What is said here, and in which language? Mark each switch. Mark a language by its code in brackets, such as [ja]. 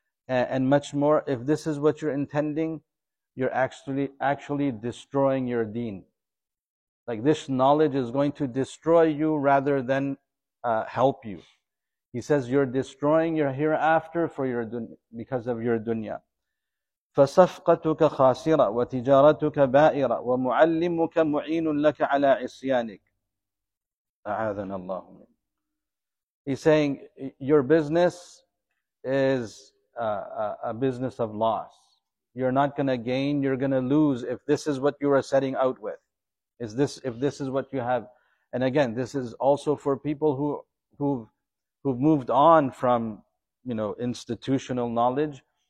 [en] And much more, if this is what you're intending, you're actually destroying your deen. Like this knowledge is going to destroy you rather than help you. He says you're destroying your hereafter for your because of your dunya. [ar] فصفقتك خاسرة وتجارتك بائرة ومعلمك معين لك على عصيانك. أعاذنا الله. [en] He's saying your business is a business of loss. You're not going to gain, you're going to lose if this is what you are setting out with. Is this, if this is what you have. And again, this is also for people who've moved on from, you know, institutional knowledge.